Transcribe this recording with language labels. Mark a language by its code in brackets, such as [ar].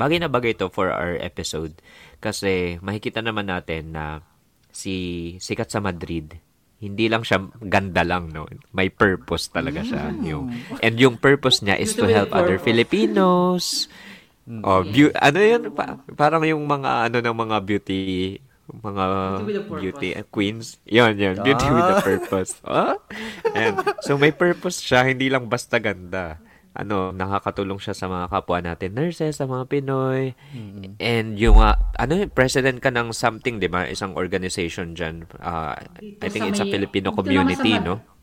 [tl] Bagay na bagay ito [en] for our episode [tl] kasi makikita naman natin na si sikat sa Madrid, hindi lang siya ganda lang, no? May purpose talaga siya. [en] Yung, and yung purpose niya is to help other Filipinos. [tl] Oh, ano yun? Parang yung mga ano ng mga beauty, mga beauty queens. Yun. [en] Beauty with a purpose. [tl] Huh? And, so may purpose siya, hindi lang basta ganda. Ano, nakakatulong siya sa mga kapwa natin, nurses, sa mga Pinoy. Mm-hmm. And yung, ano, president ka ng something, di ba? Isang organization dyan. [en] I think it's a Filipino community, sa, no?